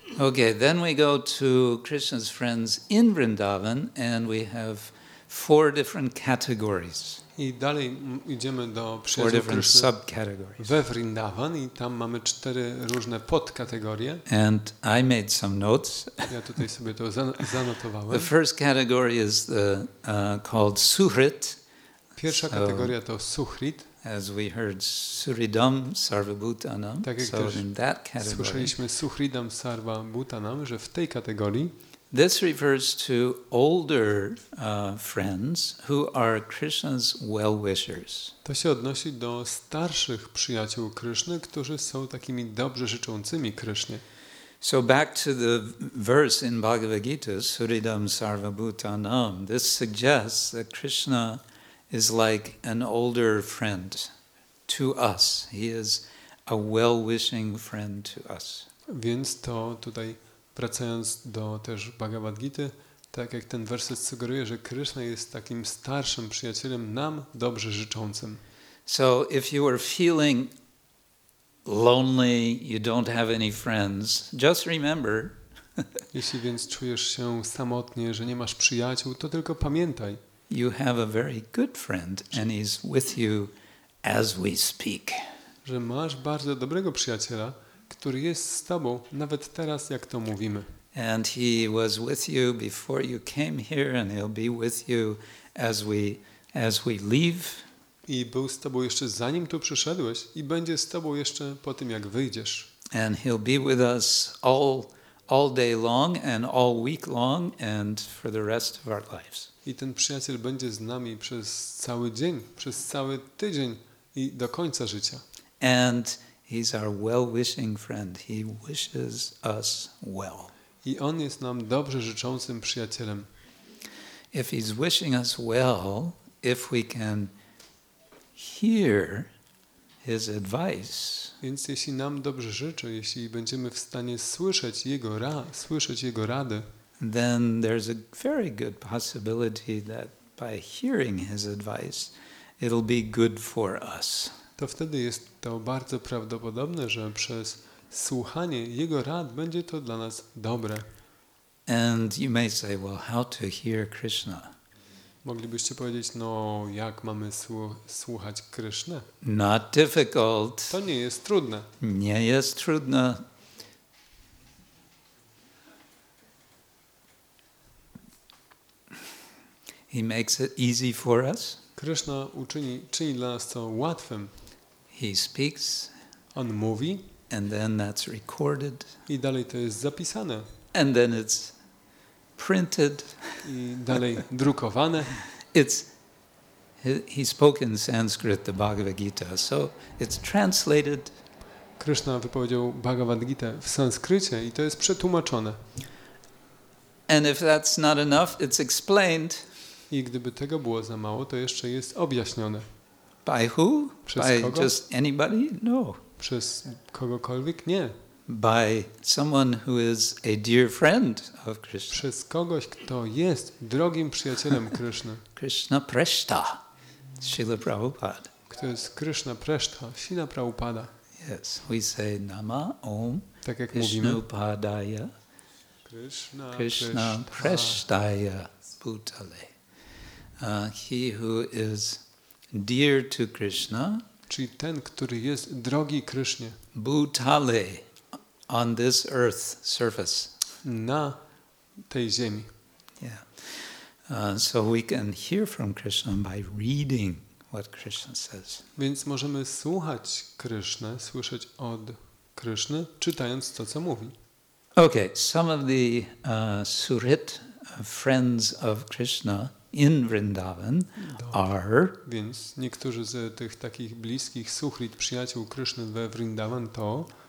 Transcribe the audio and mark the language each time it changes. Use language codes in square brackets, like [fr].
[en] Okay, then we go to Krishna's friends in Vrindavan and we have four different categories. [pl] I dalej idziemy do przyjaźni Kryszny we Vrindavan i tam mamy cztery różne podkategorie. [en] And I made some notes. [pl] Ja tutaj sobie to zanotowałem. [en] The first category is called Suhrit. [pl] Pierwsza kategoria to Suhrit. [en] As we heard, Suhridam Sarvabhutanam. [pl] Tak jak [en] so in that category. [pl] Słyszeliśmy Suhridam Sarvabhutanam, że w tej kategorii. [en] This refers to older friends who are Krishna's well-wishers. [pl] To się odnosi do starszych przyjaciół Kryszny, którzy są takimi dobrze życzącymi Krysznie. [en] So back to the verse in Bhagavad Gita, Suhridam Sarvabhutanam. This suggests that Krishna is like an older friend to us. He is a well-wishing friend to us. [pl] Więc to tutaj wracając do też Bhagavad Gita, tak jak ten werset sugeruje, że Krishna jest takim starszym przyjacielem nam dobrze życzącym. [en] So if you are feeling lonely, you don't have any friends, just remember. [pl] Jeśli więc czujesz się samotnie, że nie masz przyjaciół, to tylko pamiętaj. [en] You have a very good friend and he's with you as we speak. [pl] Że masz bardzo dobrego przyjaciela, który jest z tobą nawet teraz, jak to mówimy. [en] And he was with you before you came here and he'll be with you as we leave. [pl] I był z tobą jeszcze zanim tu przyszedłeś i będzie z tobą jeszcze po tym, jak wyjdziesz. [en] And he'll be with us all day long and all week long and for the rest of our lives. [pl] I ten przyjaciel będzie z nami przez cały dzień, przez cały tydzień i do końca życia. [en] And he's our well-wishing friend. He wishes us well. [pl] I on jest nam dobrze życzącym przyjacielem. [en] If he's wishing us well, if we can hear his advice. [pl] Więc jeśli nam dobrze życzy, jeśli będziemy w stanie słyszeć jego rady, [en] then there's a very good possibility that by hearing his advice, it'll be good for us. [pl] To wtedy jest to bardzo prawdopodobne, że przez słuchanie jego rad będzie to dla nas dobre. [en] And you may say, well, how to hear Krishna? [pl] Moglibyście powiedzieć, no jak mamy słuchać Krishna? [en] Not difficult. [pl] To nie jest trudne. Nie jest trudne. [en] He makes it easy for us. [pl] Krishna czyni dla nas to łatwym. [en] He speaks. [pl] On mówi. [en] And then that's recorded. [pl] I dalej to jest zapisane. [en] And then it's printed. [pl] I dalej drukowane. [en] He spoke in Sanskrit the Bhagavad Gita, so it's translated. [pl] Krishna wypowiedział Bhagavad Gita w sanskrycie i to jest przetłumaczone. [en] And if that's not enough, it's explained. [pl] I gdyby tego było za mało, to jeszcze jest objaśnione. [en] By who? [pl] Przez [en] by [pl] kogo? [en] Just anybody? No. [pl] Przez kogokolwiek? Nie. [en] By someone who is a dear friend of Krishna. [pl] Przez kogoś, kto jest drogim przyjacielem Kryszny. [sa] Krishna Preshta, Śrila Prabhupada. [pl] Kto jest Krishna Preshta, Śrila Prabhupada. [en] Yes, we say [sa] nama om. [pl] Tak jak [sa] Krishna Padaya. Krishna Preshtaya Bhutale. [en] He who is dear to Krishna, [pl] czyli ten, który jest drogi Krysznie, [en] Bhutale, on this earth surface, [pl] na tej ziemi. [en] Yeah. So we can hear from Krishna by reading what Krishna says. [pl] Więc możemy słuchać Krysznę, słyszeć od Kryszny, czytając to, co mówi. [en] Okay, some of the Suhrit friends of Krishna in Vrindavan are. [pl] Więc niektórzy z tych takich bliskich Suhrit, przyjaciół Krishna we Vrindavan to